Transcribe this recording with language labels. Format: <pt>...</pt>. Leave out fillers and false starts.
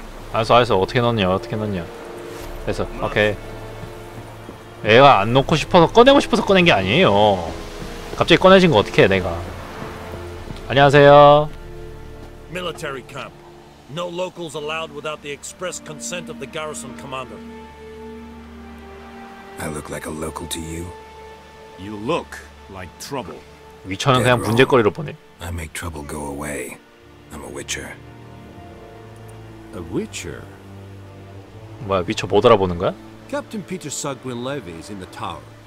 <ko>알았어, 알았어. 어떻게 넣냐, 어떻게 넣냐. 됐어, 오케이. 애가 안 놓고 싶어서 꺼내고 싶어서 꺼낸 게 아니에요. 갑자기 꺼내진 거 어떻게 해, 내가. 안녕하세요.</ko> <en>Military camp. No locals allowed without the express consent of the garrison commander. I look like a local to you? You look like trouble.</en> <ko>위쳐는 그냥 문제거리로 보네.</ko> <en>I make trouble go away. I'm a witcher. A witcher?</en> <ko>뭐야, 위쳐 못 알아보는 거야?</ko> <en>Captain Peter Sugwin Levy is in the tower.</en>